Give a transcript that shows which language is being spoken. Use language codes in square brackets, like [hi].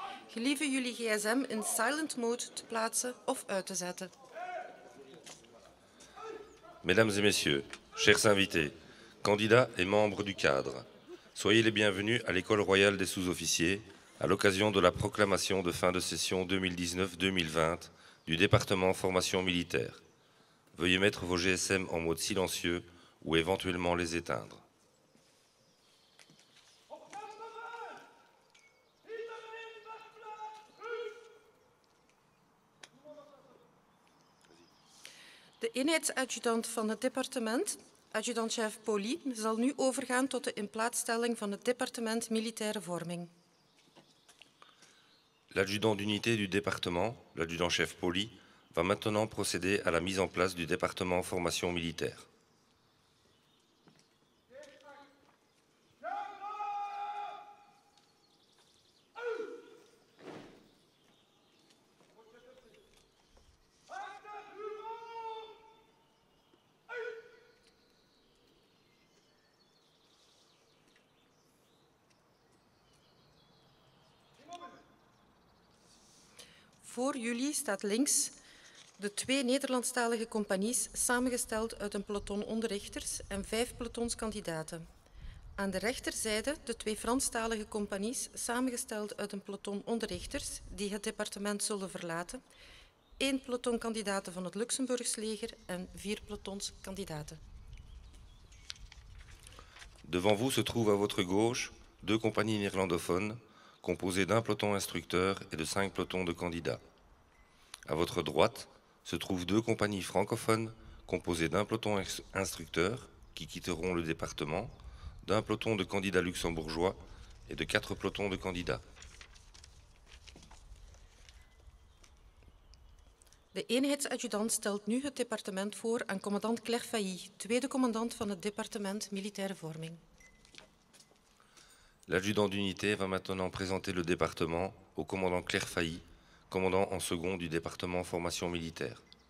[nl] Gelieve jullie gsm in silent mode te plaatsen of uit te zetten. [fr] Mesdames et messieurs, chers invités, candidats et membres du cadre, soyez les bienvenus à l'École royale des sous-officiers à l'occasion de la proclamation de fin de session 2019-2020 du département formation militaire. Veuillez mettre vos GSM en mode silencieux ou éventuellement les éteindre. [nl] De eenheidsadjudant van het departement, adjudant-chef Poli, zal nu overgaan tot de inplaatsstelling van het departement militaire vorming. [fr] L'adjudant d'unité du département, l'adjudant-chef Poli, va maintenant procéder à la mise en place du département formation militaire. [nl] Voor jullie staat links de twee Nederlandstalige compagnies, samengesteld uit een peloton onderrichters en 5 pelotonskandidaten. Aan de rechterzijde de twee Franstalige compagnies, samengesteld uit een peloton onderrichters, die het departement zullen verlaten, 1 pelotonkandidaten van het Luxemburgs leger en 4 pelotonskandidaten. [fr] Devant vous se trouvent à votre gauche 2 compagnies néerlandophones, composé d'un peloton instructeur et de 5 pelotons de candidats. À votre droite se trouvent 2 compagnies francophones composées d'un peloton instructeur qui quitteront le département, d'un peloton de candidats luxembourgeois et de 4 pelotons de candidats. [nl] De eenheidsadjudant stelt nu het departement voor aan commandant Claire Failly, tweede commandant van het departement militaire vorming. [fr] L'adjudant d'unité va maintenant présenter le département au commandant Claire Failly, commandant en second du département formation militaire.